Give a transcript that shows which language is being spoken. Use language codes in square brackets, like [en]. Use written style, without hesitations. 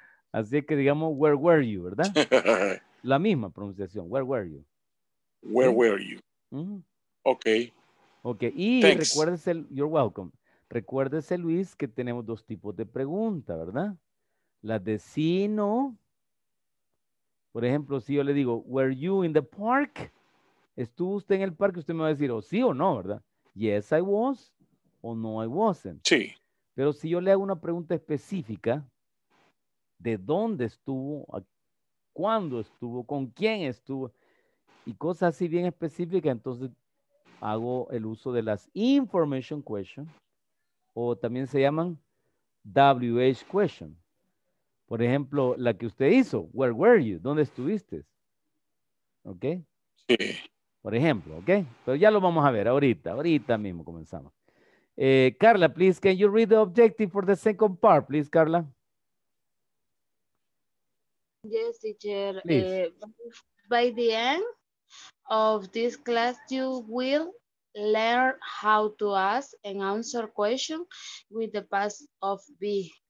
[es] Así que digamos, [en] where were you, [es] ¿verdad? La misma pronunciación, [en] where were you. Where were you. Uh-huh. Ok. Ok, y thanks. [es] Recuérdese, [en] you're welcome. [es] Recuérdese, Luis, que tenemos dos tipos de preguntas, ¿verdad? La de sí, no. Por ejemplo, si yo le digo, [en] were you in the park? [es] ¿Estuvo usted en el parque? Usted me va a decir, o sí o no, ¿verdad? [en] Yes, I was, o no, I wasn't. [es] Sí. Pero si yo le hago una pregunta específica, ¿de dónde estuvo? ¿Cuándo estuvo? ¿Con quién estuvo? Y cosas así bien específicas, entonces hago el uso de las information questions, o también se llaman WH questions. Por ejemplo, la que usted hizo, [en] where were you? [es] ¿Dónde estuviste? ¿Ok? Sí. Por ejemplo, ¿ok? Pero ya lo vamos a ver ahorita mismo comenzamos. [en] Carla, please, can you read the objective for the second part, please, Carla? Yes, teacher. By the end of this class, you will learn how to ask and answer questions with the past of be.